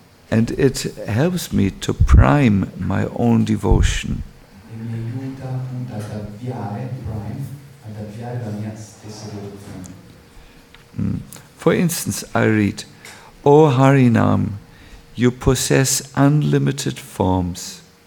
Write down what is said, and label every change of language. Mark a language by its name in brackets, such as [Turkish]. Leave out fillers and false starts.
[English] And it helps me to prime my own devotion. [Italian] E mi aiuta appunto ad avviare, prime, ad avviare la mia stessa devozione. [English] For instance, I read, O Harinam, you possess unlimited forms.